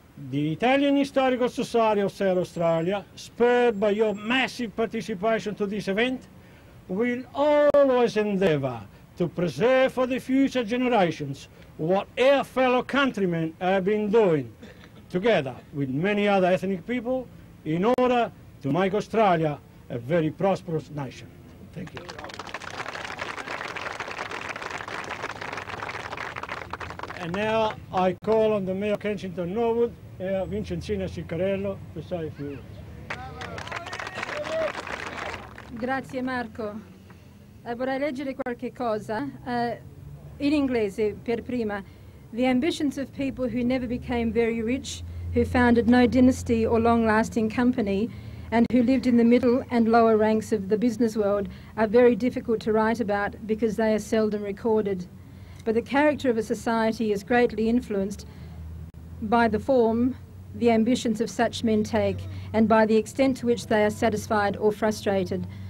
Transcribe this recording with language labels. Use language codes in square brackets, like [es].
[en] The Italian Historical Society of South Australia, spurred by your massive participation to this event, will always endeavor to preserve for the future generations what our fellow countrymen have been doing together with many other ethnic people in order to make Australia a very prosperous nation. Thank you. And now I call on the Mayor of Kensington Norwood, Vincenzina Ciccarello, to say a few words. [it] Grazie Marco. Vorrei leggere qualche cosa in inglese per prima. [en] The ambitions of people who never became very rich, who founded no dynasty or long-lasting company, and who lived in the middle and lower ranks of the business world are very difficult to write about because they are seldom recorded. But the character of a society is greatly influenced by the form the ambitions of such men take and by the extent to which they are satisfied or frustrated.